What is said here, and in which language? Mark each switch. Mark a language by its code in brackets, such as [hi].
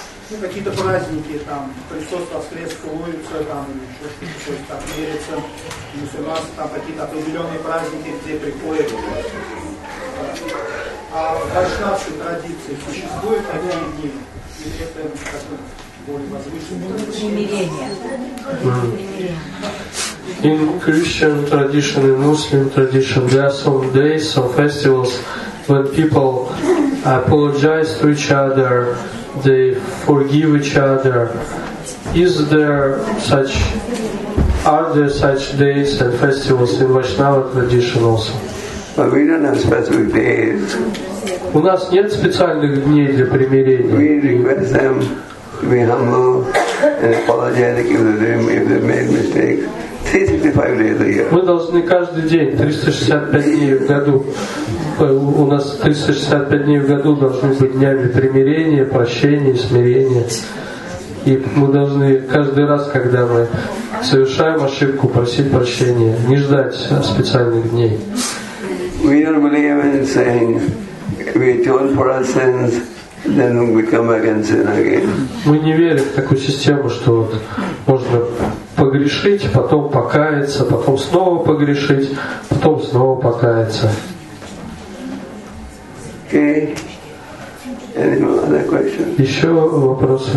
[ru] Ну, какие-то праздники, там, Христос воскрес, целуется, там, или еще что-то, то есть, так верится. В мусульманстве там какие-то определенные праздники, где приходят. Да. А в вайшнавской традиции существуют такие дни? Или это более возвышенные? Примирение. [en] In Christian tradition, in Muslim tradition, there are some days, some festivals, when people apologize to each other, they forgive each other. Are there such days and festivals in Vaishnava tradition also? But we don't have specific days. [ru] У нас нет специальных дней для примирения. [en] We request them to be humble and apologetic if they made mistakes. [ru] Мы должны каждый день, 365 дней в году, у нас 365 дней в году должны быть днями примирения, прощения, смирения. И мы должны каждый раз, когда мы совершаем ошибку, просить прощения, не ждать специальных дней. [en] We don't believe in saying we atone for our sins, then we come back and sin again. [ru] Мы не верим в такую систему, что вот можно погрешить, потом покаяться, потом снова погрешить, потом снова покаяться. [en] Okay. Any other questions? [ru] Еще вопросы?